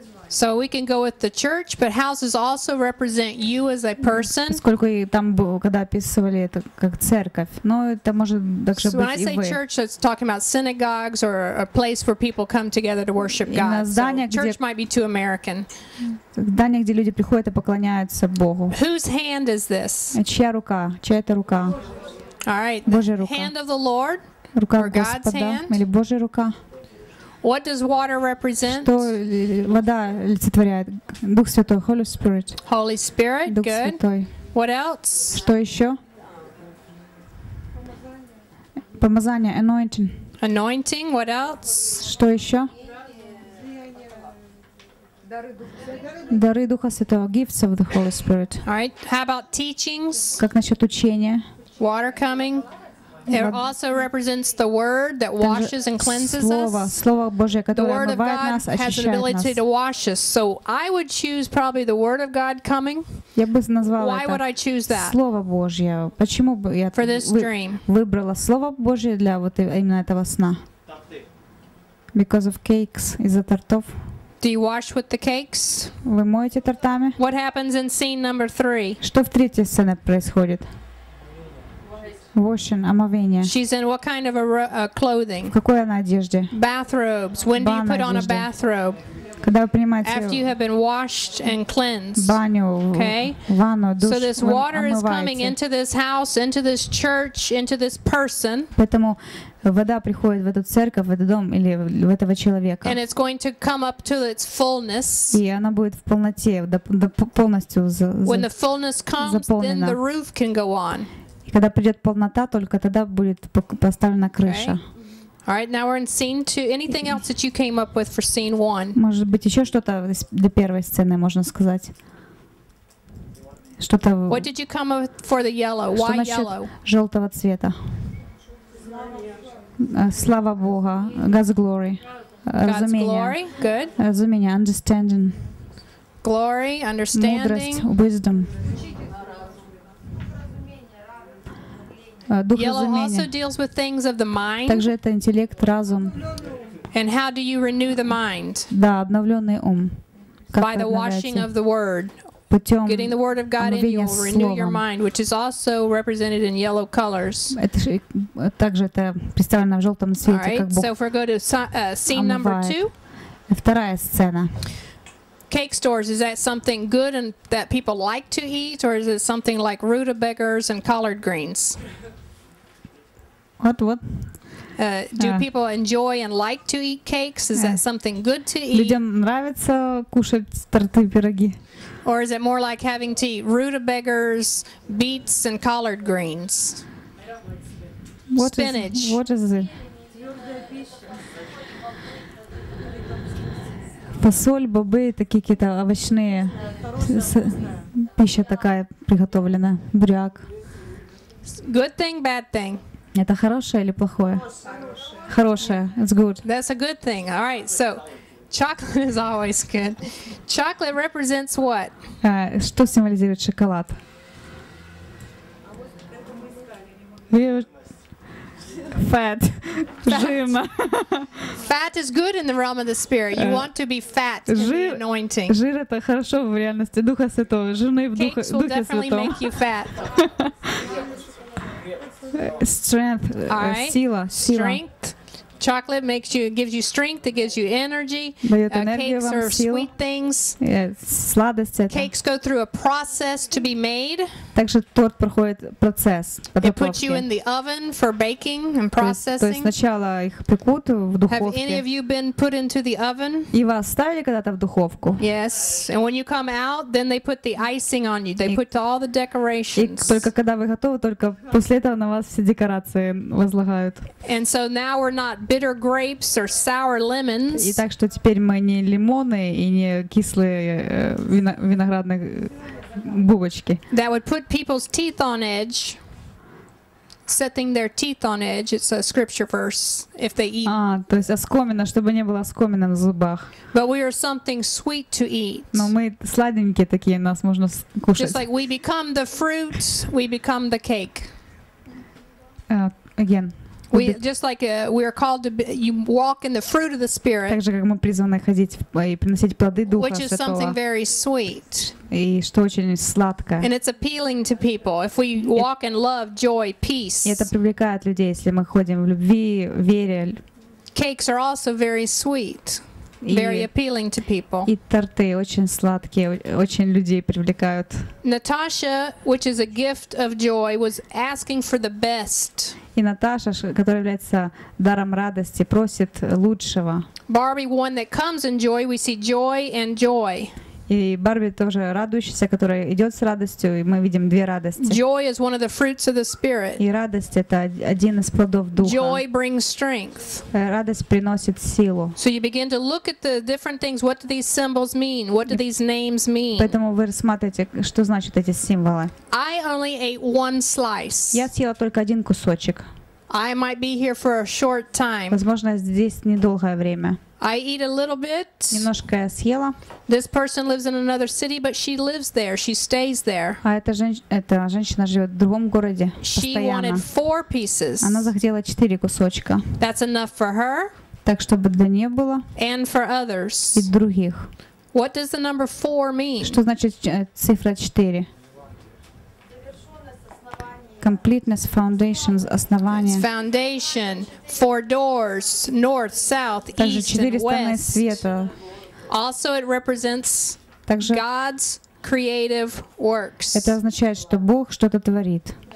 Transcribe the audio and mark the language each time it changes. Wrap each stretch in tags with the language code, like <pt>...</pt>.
<en>So we can go with the church, but houses also represent you as a person.</en> <ru>Сколько там было, когда описывали это как церковь. Но это может также быть и вы.</ru> <en>So when I say church, it's talking about synagogues or a place where people come together to worship God.</en> <ru>Именно здание,</ru> <en>so church might be too American.</en> <ru>Здание, где люди приходят и поклоняются Богу.</ru> <en>Whose hand is this?</en> <ru>Чья рука? Чья это рука?</ru> <en>All right. The hand of the Lord.</en> <ru>Рука Господа или Божья рука?</ru> <en>What does water represent?</en> <ru>Что вода олицетворяет? Дух Святой,</ru> <en>Holy Spirit. Holy Spirit,</en> <ru>Дух</ru> <en>good.</en> <ru>Святой.</ru> <en>What else?</en> <ru>Что еще? Помазание,</ru> <en>anointing. Anointing, what else?</en> <ru>Что еще? Дары Духа Святого,</ru> <en>gifts of the Holy Spirit. All right, how about teachings?</en> <ru>Как насчет учения?</ru> <en>Water coming. It also represents the word that washes and cleanses</en> <ru>слово,</ru> <en>us.</en> <ru>Слово Божие,</ru> <en>the word of God</en> <ru>нас,</ru> <en>has an ability</en> <ru>нас.</ru> <en>To wash us. So I would choose probably the word of God coming. Why would I choose that?</en> <ru>Слово Божье. Почему бы я</ru> <en>for this dream.</en> <ru>Выбрала Слово Божье для вот именно этого сна?</ru> <en>Because of cakes,</en> <ru>из-за тортов.</ru> <en>Do you wash with the cakes?</en> <ru>Вы моете тортами?</ru> <en>What happens in scene number three?</en> <ru>Что в третьей сцене происходит?</ru> <en>Washing,</en> <ru>омовение.</ru> <en>She's in what kind of a clothing?</en> <ru>В какой она одежде?</ru> <en>Bathrobes. When do you put on a bathrobe?</en> <ru>Когда вы принимаете ванну.</ru> <en>After you have been washed and cleansed.</en> <ru>Баню.</ru> <en>Okay.</en> <ru>Ванну, душ,</ru> <en>so this water is coming into this house, into this church, into this person.</en> <ru>Поэтому вода приходит в эту церковь, в этот дом или в этого человека.</ru> <en>And it's going to come up to its fullness.</en> <ru>И она будет в полноте, полностью заполнена.</ru> <en>When the fullness comes, then the roof can go on.</en> <ru>Когда придет полнота, только тогда будет поставлена крыша.</ru> <en>All right, now we're in scene two. Anything else that you came up with for scene one?</en> <ru>Может быть, еще что-то для первой сцены можно сказать? Что-то.</ru> <en>What did you come up for the yellow? Why yellow?</en> <ru>Что насчет желтого цвета? Слава Богу.</ru> <en>God's glory. God's glory. Good.</en> <ru>Разумение.</ru> <en>Understanding. Glory. Understanding.</en> <ru>Мудрость.</ru> <en>Wisdom. Yellow also deals with things of the mind.</en> <ru>Также это интеллект, разум.</ru> <en>And how do you renew the mind?</en> <ru>Да, обновленный ум.</ru> <en>By the washing of the word.</en> <ru>Путем</ru> <en>getting the word of God in you will renew your mind, which is also represented in yellow colors.</en> <ru>Это же, также это представлено в желтом цвете,</ru> <en>All right,</en> <ru>как Бог.</ru> <en>So if we go to scene number two.</en> <ru>Вторая сцена.</ru> <en>Cake stores, is that something good and that people like to eat, or is it something like rutabagas and collard greens? What? Do people enjoy and like to eat cakes? Is that something good to eat?</en> <ru>Людям нравится кушать торты, пироги.</ru> <en>Or is it more like having to eat rutabagas, beets, and collard greens? What spinach. What is it?</en> <ru>Фасоль, бобы, такие какие-то овощные, пища такая приготовлена, бряк.</ru> <en>Good thing, bad thing.</en> <ru>Это хорошее или плохое? Хорошее.</ru> <en>It's good. That's a good thing. All right, so chocolate is always good. Chocolate represents what?</en> <ru>Что символизирует шоколад?</ru> <en>Fat.</en> <ru>Жима.</ru> <en>Fat is good in the realm of the spirit. You want to be fat in the anointing.</en> <ru>Жир это хорошо в реальности Духа Святого. Жирный в Духе Святого.</ru> <en>Cakes will definitely make you fat. Strength. All right.</en> <ru>Сила.</ru> <en>Strength. Chocolate gives you strength. It gives you energy. Cakes are sweet things.</en> <ru>Сладости.</ru> <en>Cakes go through a process to be made.</en> <ru>Также торт проходит процесс подготовки.</ru> <en>They put you in the oven for baking and processing.</en> <ru>То есть сначала их пекут в духовке.</ru> <en>Have any of you been put into the oven?</en> <ru>И вас ставили когда-то в духовку?</ru> <en>Yes. And when you come out, then they put the icing on you. They put all the decorations.</en> <ru>И только когда вы готовы, только после этого на вас все декорации возлагают.</ru> <en>And so now we're not bitter grapes or sour lemons.</en> <ru>И так что теперь мы не лимоны и не кислые виноградные.</ru> <en>That would put people's teeth on edge. setting their teeth on edge. It's a scripture verse. If they eat.</en> <ru>А, то есть оскомина, чтобы не было оскомины на зубах.</ru> <en>But we are something sweet to eat.</en> <ru>Но мы сладенькие такие, нас можно кушать.</ru> <en>Just like we become the fruit, we become the cake. Again. We just like we are called to be, you walk in the fruit of the spirit.</en> <ru>Так же, как мы призваны ходить и приносить плоды Духа Святого.</ru> <en>Which is something very sweet.</en> <ru>И что очень сладко.</ru> <en>And it's appealing to people if we walk in love, joy, peace.</en> <ru>И это привлекает людей, если мы ходим в любви, вере.</ru> <en>Cakes are also very sweet. Very appealing to people.</en> <ru>И торты очень сладкие, очень людей привлекают.</ru> <en>Natasha, which is a gift of joy, was asking for the best.</en> <ru>И Наташа, которая является даром радости, просит лучшего.</ru> <en>Barbie, one that comes in joy, we see joy and joy.</en> <ru>И Барби тоже радующаяся, которая идет с радостью, и мы видим две радости.</ru> <en>Joy is one of the fruits of the spirit.</en> <ru>И радость это один из плодов духа.</ru> <en>Joy brings strength.</en> <ru>Радость приносит силу.</ru> <en>So you begin to look at the different things. What do these symbols mean? What do these names mean?</en> <ru>Поэтому вы рассматриваете, что значат эти символы.</ru> <en>I only ate one slice.</en> <ru>Я съела только один кусочек.</ru> <en>I might be here for a short time.</en> <ru>Возможно, здесь недолгое время.</ru> <en>I eat a little bit.</en> <ru>Немножко я съела.</ru> <en>This person lives in another city, but she lives there. She stays there.</en> <ru>А эта женщина живет в другом городе.</ru> <en>She wanted four pieces.</en> <ru>Она захотела четыре кусочка.</ru> <en>That's enough for her.</en> <ru>Так чтобы для нее было.</ru> <en>And for others.</en> <ru>И других.</ru> <en>What does the number four mean?</en> <ru>Что значит цифра четыре?</ru> <en>Completeness, foundations,</en> <ru>основание.</ru> <en>It's foundation, four doors, north, south, east, and west. Also, it represents God's creative works.</en> <ru>Это означает, что Бог что-то творит.</ru>